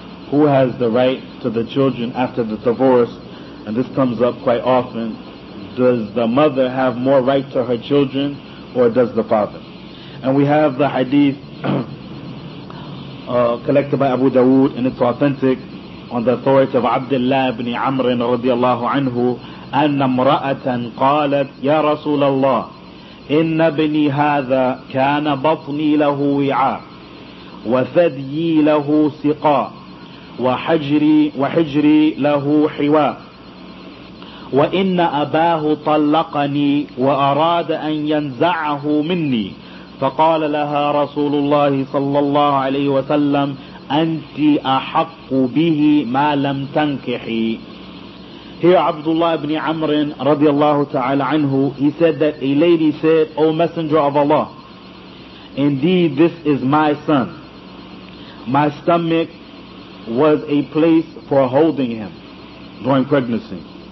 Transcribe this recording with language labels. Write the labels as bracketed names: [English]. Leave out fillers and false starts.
[English] Who has the right to the children after the divorce? And this comes up quite often. Does the mother have more right to her children, or does the father? And we have the hadith collected by Abu Dawood, and it's authentic on the authority of Abdullah ibn Amr radiallahu anhu. [Arabic] أن امرأة قالت يا رسول الله إن ابني هذا كان بطني له وعاء وثديي له سقاء وحجري له حواء وإن أباه طلقني وأراد أن ينزعه مني فقال لها رسول الله صلى الله عليه وسلم أنت أحق به ما لم تنكحي. [English] Here Abdullah ibn Amr radiallahu ta'ala anhu, he said that a lady said, O Messenger of Allah, indeed this is my son. My stomach was a place for holding him during pregnancy.